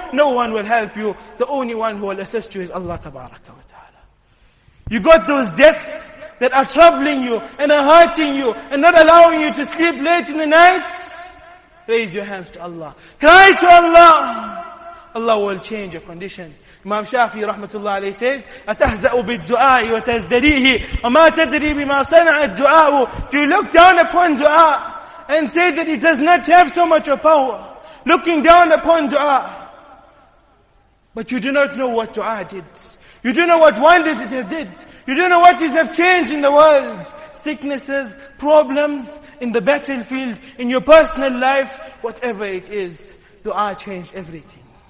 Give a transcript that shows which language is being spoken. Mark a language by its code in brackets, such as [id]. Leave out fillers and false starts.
[en] No one will help you. The only one who will assist you is Allah Tabaraka wa Ta'ala. You got those debts that are troubling you and are hurting you and not allowing you to sleep late in the night. Raise your hands to Allah. Cry to Allah. Allah will change your condition. [ar] Imam Shafi rahmatullah alayhi [en] says, [ar] أَتَهْزَأُ بِالدُّعَاءِ وَتَزْدَرِيهِ وَمَا تَدْرِي بِمَا صَنَعَ الدُّعَاءُ. [en] Do you look down upon dua and say that it does not have so much of power? Looking down upon dua. But you do not know what dua did. You do know what wonders it has did. You do know what it has changed in the world. Sicknesses, problems in the battlefield, in your personal life, whatever it is, dua changed everything.